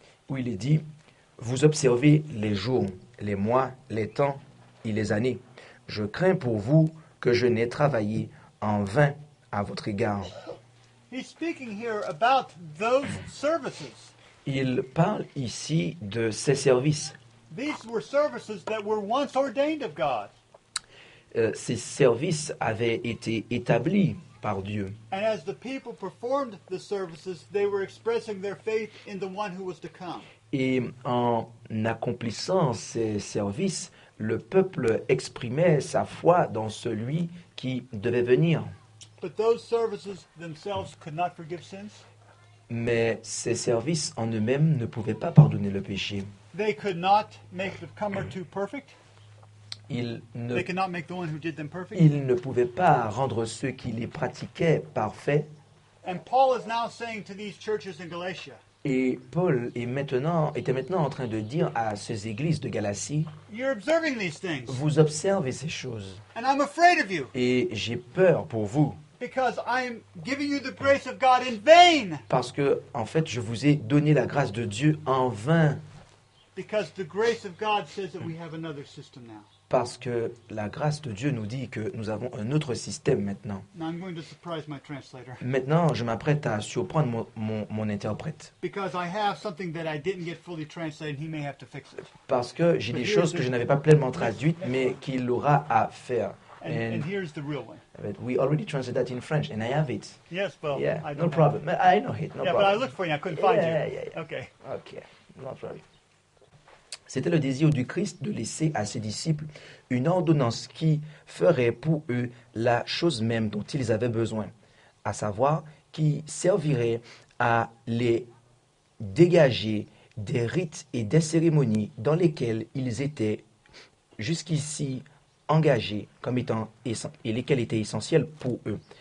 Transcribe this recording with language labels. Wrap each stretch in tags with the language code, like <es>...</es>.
<fr>Où il est dit, vous observez les jours, les mois, les temps et les années. Je crains pour vous que je n'ai travaillé en vain à votre égard.</fr> <en>He's speaking here about those services.</en> <fr>Il parle ici de ces services.</fr> <en>These were services that were once ordained of God.</en> <fr>Ces services avaient été établis par Dieu.</fr> <en>And as the people performed the services, they were expressing their faith in the one who was to come.</en> <fr>Et en accomplissant ces services, le peuple exprimait sa foi dans celui qui devait venir.</fr> <en>But those services themselves could not forgive sins.</en> <fr>Mais ces services en eux-mêmes ne pouvaient pas pardonner le péché.</fr> <en>They could not make the comer too perfect. They could not make the one who did them perfect.</en> <fr>Ils ne pouvaient pas rendre ceux qui les pratiquaient parfaits.</fr> <en>And Paul is now saying to these churches in Galatia.</en> <fr>Et Paul était maintenant en train de dire à ces églises de Galatie.</fr> <en>You're observing these things.</en> <fr>Vous observez ces choses.</fr> <en>And I'm afraid of you.</en> <fr>Et j'ai peur pour vous.</fr> <en>Because I'm giving you the grace of God in vain.</en> <fr>Parce que en fait, je vous ai donné la grâce de Dieu en vain.</fr> <en>Because the grace of God says that we have another system now.</en> <fr>Parce que la grâce de Dieu nous dit que nous avons un autre système maintenant.</fr> <en>Now I'm going to surprise my translator.</en> <fr>Maintenant, je m'apprête à surprendre mon interprète.</fr> <en>Because I have something that I didn't get fully translated, he may have to fix it.</en> <fr>Parce que j'ai des choses que je n'avais pas pleinement traduites, mais qu'il aura à faire.</fr> <en>And here's the real one. But we already translated that in French, and I have it. Yes, well, yeah, I don't no have problem. It. I know it. No yeah, problem. But I looked for you. I couldn't find you. Yeah. Okay. Okay. No problem.</en> <fr>C'était le désir du Christ de laisser à ses disciples une ordonnance qui ferait pour eux la chose même dont ils avaient besoin, à savoir qui servirait à les dégager des rites et des cérémonies dans lesquels ils étaient jusqu'ici engagés comme étant et lesquels étaient essentiels pour eux.</fr>